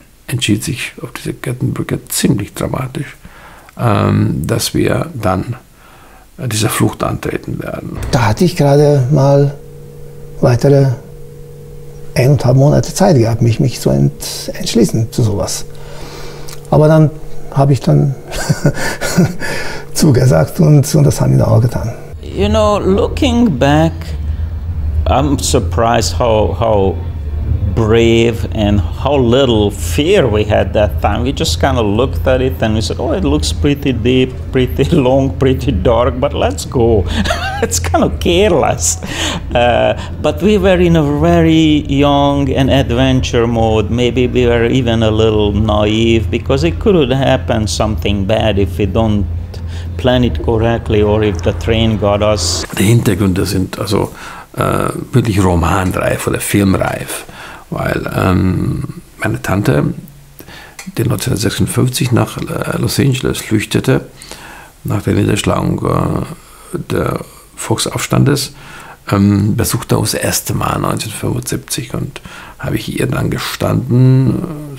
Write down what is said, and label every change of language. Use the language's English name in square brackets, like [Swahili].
[German] Entschied sich auf diese Kettenbrücke ziemlich dramatisch, dass wir dann diese Flucht antreten werden. Da hatte ich gerade mal weitere 1,5 Monate Zeit gehabt, mich zu entschließen zu sowas. Aber dann habe ich dann zugesagt und das haben wir dann auch getan. [English] You know, looking back, I'm surprised how brave and how little fear we had that time. We just kind of looked at it and we said, oh, it looks pretty deep, pretty long, pretty dark, but let's go. It's kind of careless. But we were in a very young and adventure mode. Maybe we were even a little naive because it could happen something bad if we don't plan it correctly or if the train got us. [German] The Hintergründe sind also wirklich romanreif oder filmreif. Weil meine Tante, die 1956 nach Los Angeles flüchtete, nach der Niederschlagung der Volksaufstandes, besuchte uns das erste Mal 1975 und habe ich ihr dann gestanden.